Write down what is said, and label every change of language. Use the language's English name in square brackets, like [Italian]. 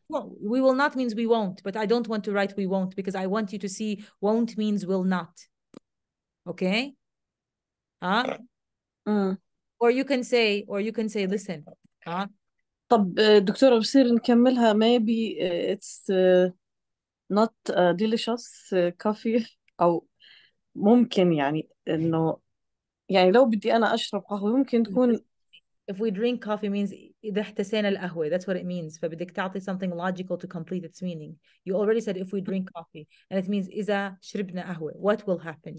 [English] Well, we will not means we won't, but I don't want to write we won't because I want you to see won't means will not. Okay? Huh? Mm. Or you can say, listen. Huh? [Arabic] طب دكتورة بصير نكملها. [English] Maybe it's not a delicious coffee. [Arabic] أو ممكن يعني إنه يعني لو بدي أنا أشرب قهوة ممكن تكون. [English] If we drink coffee means [Arabic] إذا احتسينا القهوة, [English] that's what it means. [Arabic] فبدك تعطي [English] something logical to complete its meaning. You already said if we drink coffee and it means [Arabic] إذا شربنا قهوة, [English] what will happen?